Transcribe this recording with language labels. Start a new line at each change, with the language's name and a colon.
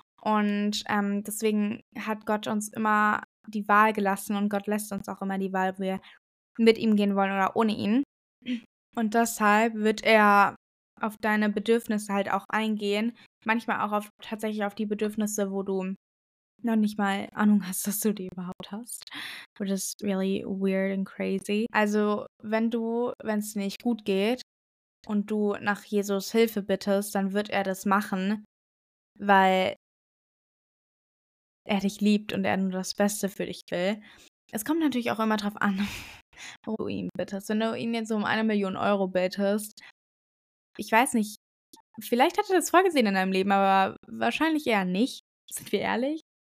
German: Und deswegen hat Gott uns immer die Wahl gelassen und Gott lässt uns auch immer die Wahl, ob wir mit ihm gehen wollen oder ohne ihn. Und deshalb wird er auf deine Bedürfnisse halt auch eingehen. Manchmal auch tatsächlich auf die Bedürfnisse, wo du noch nicht mal Ahnung hast, dass du die überhaupt hast.
English: Which is really weird and crazy.
German: Also wenn es nicht gut geht, und du nach Jesus Hilfe bittest, dann wird er das machen, weil er dich liebt und er nur das Beste für dich will. Es kommt natürlich auch immer drauf an, wo du ihn bittest. Wenn du ihn jetzt um 1 Million Euro bittest, ich weiß nicht, vielleicht hat er das vorgesehen in deinem Leben, aber wahrscheinlich eher nicht, sind wir ehrlich.